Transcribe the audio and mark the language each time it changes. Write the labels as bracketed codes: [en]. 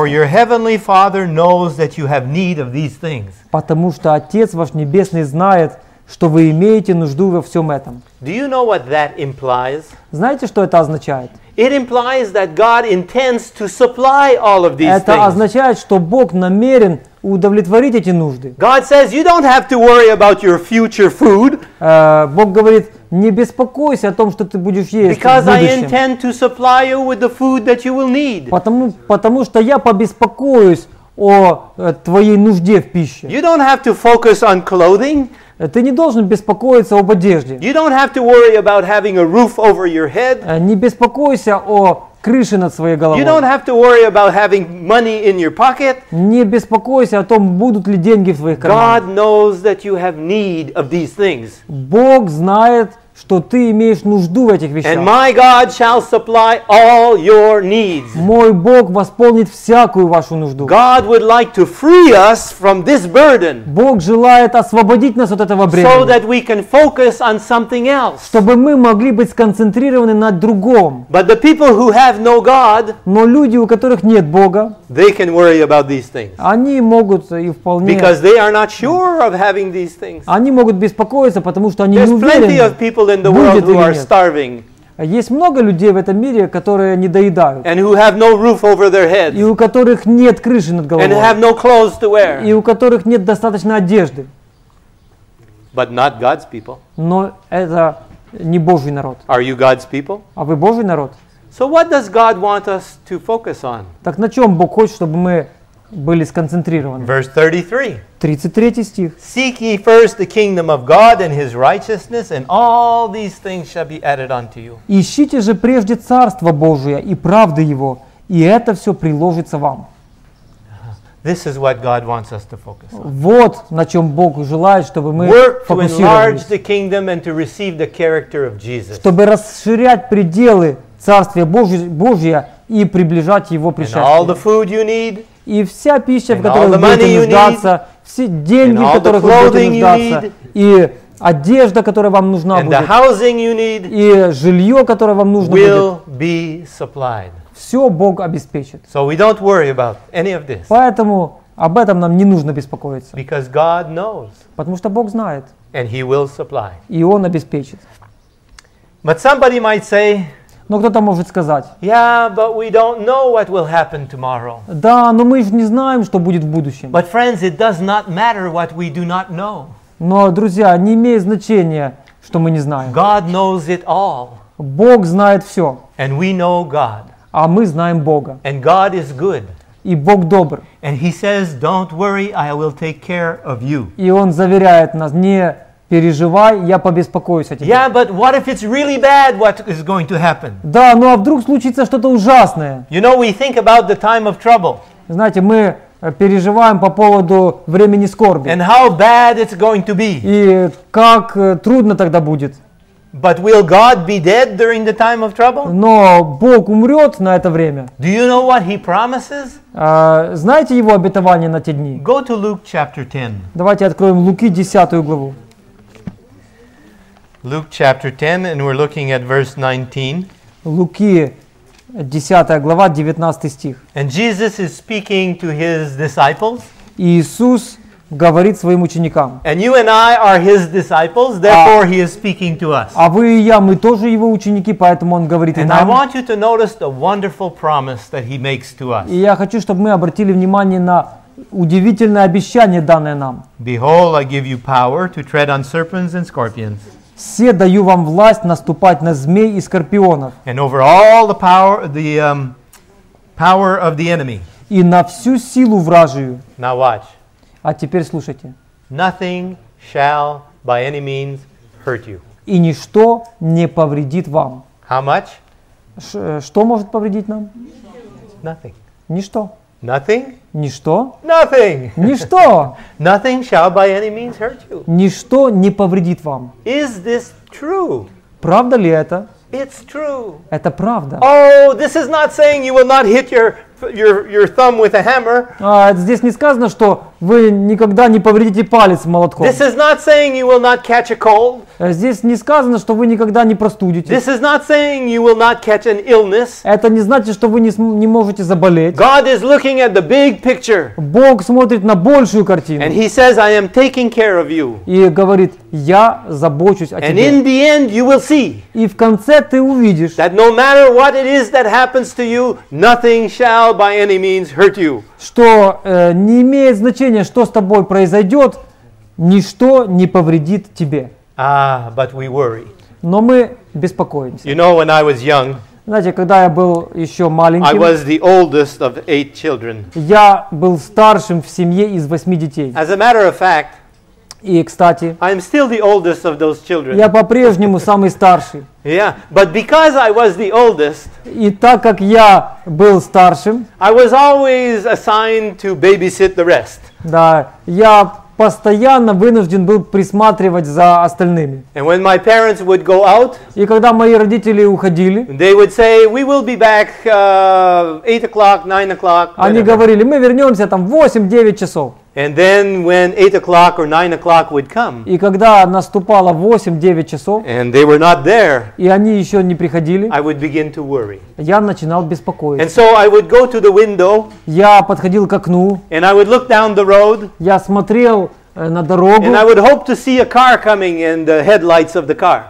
[en] For your heavenly Father knows that you have need of these things. [ru] Потому что Отец ваш небесный знает, что вы имеете нужду во всем этом. [en] Do you know what that implies? [ru] Знаете, что это означает? [en] It implies that God intends to supply all of these [ru] это [en] things. [ru] Это означает, что Бог намерен удовлетворить эти нужды. [en] God says you don't have to worry about your future food. [ru] Бог говорит: не беспокойся о том, что ты будешь есть [en] Because [ru] в будущем. [en] I intend to supply you with the food that you will need. [ru] Потому что я побеспокоюсь о твоей нужде в пище. [en] You don't have to focus on clothing. [ru] Ты не должен беспокоиться об одежде. [en] You don't have to worry about having a roof over your head. [ru] Не беспокойся о крыше над своей головой. [en] You don't have to worry about having money in your pocket. [ru] Не беспокойся о том, будут ли деньги в твоих карманах. [en] God knows that you have need of these things. [ru] Бог знает, что ты имеешь нужду в этих вещах. [en] And my God shall supply all your needs. [ru] Мой Бог восполнит всякую вашу нужду. [en] God would like to free us from this burden. [ru] Бог желает освободить нас от этого бремени. [en] So that we can focus on something else. [ru] Чтобы мы могли быть сконцентрированы на другом. [en] But the people who have no God, [ru] но люди, у которых нет Бога, [en] they can worry about these things. [ru] Они могут и вполне. [en] Because they are not sure of having these things. [ru] Они могут беспокоиться, потому что они [en] There's [ru] не уверены. [en] There's plenty of people in the world who are starving. [ru] Есть много людей в этом мире, которые недоедают. [en] And who have no roof over their heads. [ru] И у которых нет крыши над головой. [en] And have no clothes to wear. [ru] И у которых нет достаточно одежды. [en] But not God's people. [ru] Но это не Божий народ. [en] Are you God's people? [ru] А вы Божий народ? [en] So what does God want us to focus on? [ru] Так на чем Бог хочет, чтобы мы были сконцентрированы? [en] Verse 33. [ru] 33 стих. [en] Seek ye first the kingdom of God and his righteousness, and all these things shall be added unto you. [ru] Ищите же прежде Царство Божие и правды Его, и это все приложится вам. [en] This is what God wants us to focus on. [ru] Вот на чем Бог желает, чтобы мы фокусировались. [en] Work to enlarge the kingdom and to receive the character of Jesus. [ru] Чтобы расширять пределы Царствие Божье и приближать Его пришествие. [en] And all the food you need, [ru] и вся пища, в которой вы будете нуждаться, [en] need, [ru] все деньги, в которых вы будете нуждаться, и одежда, которая вам нужна будет, и жилье, которое вам нужно будет, все Бог обеспечит. [en] So we don't worry about any of this. [ru] Поэтому об этом нам не нужно беспокоиться. [en] Because God knows. [ru] Потому что Бог знает. [en] And he will supply. [ru] И Он обеспечит. [en] But somebody might say, [ru] но кто-то может сказать, [en] yeah, but we don't know what will happen tomorrow. [ru] Да, но мы же не знаем, что будет в будущем. [en] But friends, it does not matter what we do not know. [ru] Но, друзья, не имеет значения, что мы не знаем. [en] God knows it all. [ru] Бог знает все. [en] And we know God. [ru] А мы знаем Бога. [en] And God is good. [ru] И Бог добр. [en] And he says, don't worry, I will take care of you. [ru] И Он заверяет нас, не переживай, я побеспокоюсь о тебе. [en] Yeah, but what if it's really bad, what is going to happen? [ru] Да, ну а вдруг случится что-то ужасное? [en] You know, we think about the time of trouble. [ru] Знаете, мы переживаем по поводу времени скорби. [en] And how bad it's going to be. [ru] И как трудно тогда будет. [en] But will God be dead during the time of trouble? [ru] Но Бог умрет на это время. [en] Do you know what he promises? [ru] Знаете его обетование на те дни? [en] Go to Luke chapter 10. [ru] Давайте откроем Луки 10 главу. [en] Luke chapter 10, and we're looking at verse 19. [ru] Луки 10 глава, 19 стих. [en] And Jesus is speaking to his disciples. [ru] Иисус говорит своим ученикам. [en] And you and I are his disciples, therefore he is speaking to us. [ru] А вы и я, мы тоже его ученики, поэтому он говорит и нам. [en] And I want you to notice the wonderful promise that he makes to us. [ru] И я хочу, чтобы мы обратили внимание на удивительное обещание, данное нам. [en] Behold, I give you power to tread on serpents and scorpions. [ru] Все даю вам власть наступать на змей и скорпионов. [en] And over all the power, power of the enemy. [ru] И на всю силу вражию. [en] Now watch. [ru] А теперь слушайте. [en] Nothing shall by any means hurt you. [ru] И ничто не повредит вам. [en] How much? [ru] Что может повредить нам? [en] Nothing. [ru] Ничто. [en] Nothing? [ru] Ничто. [en] Nothing. [ru] Ничто. [en] Nothing shall by any means hurt you. [ru] Ничто не повредит вам. [en] Is this true? [ru] Правда ли это? [en] It's true. [ru] Это правда. [en] Oh, this is not saying you will not hit your thumb with a hammer. [ru] Здесь не сказано, что вы никогда не повредите палец молотком. [en] This is not saying you will not catch a cold. [ru] Здесь не сказано, что вы никогда не простудитесь. [en] This is not saying you will not catch an illness. [ru] Это не значит, что вы не можете заболеть. [en] God is looking at the big picture. [ru] Бог смотрит на большую картину. [en] And he says, I am taking care of you. [ru] И говорит, я забочусь о [en] and [ru] тебе. [en] And in the end, you will see. [ru] И в конце ты увидишь. [en] That no matter what it is that happens to you, nothing shall by any means hurt you. [ru] Что не имеет значения, что с тобой произойдет, ничто не повредит тебе. [en] But we worry. [ru] Но мы беспокоимся. [en] You know, when I was young, [ru] знаете, когда я был еще маленьким, [en] I was the oldest of eight children. [ru] Я был старшим в семье из восьми детей. [en] As a matter of fact, [ru] и, кстати, [en] I am still the oldest of those children. [ru] Я по-прежнему самый старший. [en] Yeah, but because I was the oldest, [ru] и так как я был старшим, [en] I was always assigned to babysit the rest. [ru] Да, я постоянно вынужден был присматривать за остальными. [en] And when my parents would go out, [ru] и когда мои родители уходили, [en] they would say, we will be back 8 o'clock, 9 o'clock. [ru] Они [en] whatever. [ru] Говорили, мы вернемся там 8-9 часов. [en] And then when 8 o'clock or 9 o'clock would come. [ru] И когда наступало 8-9 часов. [en] And they were not there. [ru] И они еще не приходили. [en] I would begin to worry. [ru] Я начинал беспокоиться. [en] And so I would go to the window. [ru] Я подходил к окну. [en] And I would look down the road. [ru] Я смотрел на дорогу. [en] And I would hope to see a car coming and the headlights of the car.